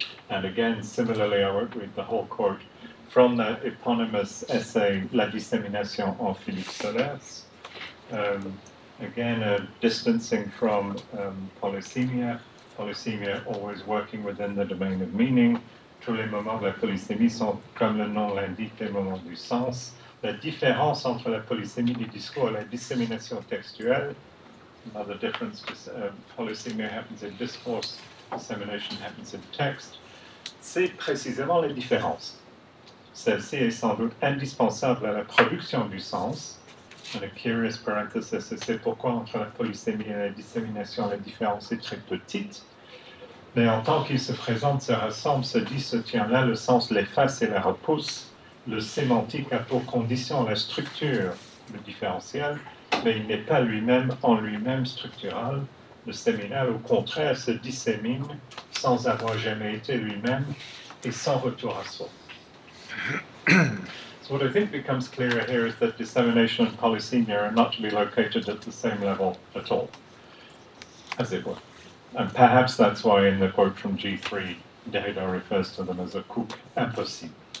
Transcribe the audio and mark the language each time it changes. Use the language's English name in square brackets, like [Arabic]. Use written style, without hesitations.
[English] And again, similarly, I won't read the whole quote from the eponymous essay La dissémination en Philippe Solers. Again, a distancing from polysemia. Polysémia always working within the domain of meaning. [French] Tous les moments de la polysémie sont, comme le nom l'indique, des moments du sens. La différence entre la polysémie du discours et la dissémination textuelle, [English] another difference, polysémia happens in discourse, dissemination happens in text, [French] c'est précisément la différence. Celle-ci est sans doute indispensable à la production du sens. [English] And a curious parenthesis, [French] c'est pourquoi entre la polysémie et la dissémination, la différence est très petite. Mais en tant qu'il se présente, se rassemble, se dit, se tient là, le sens l'efface et la repousse. Le sémantique a pour condition la structure, le différentiel, mais il n'est pas lui-même en lui-même structural. Le séminal, au contraire, se dissémine sans avoir jamais été lui-même et sans retour à soi. [English] So what I think becomes clearer here is that dissemination and polysemia are not to be located at the same level at all, as it were. And perhaps that's why in the quote from G3, Derrida refers to them as a couple impossible.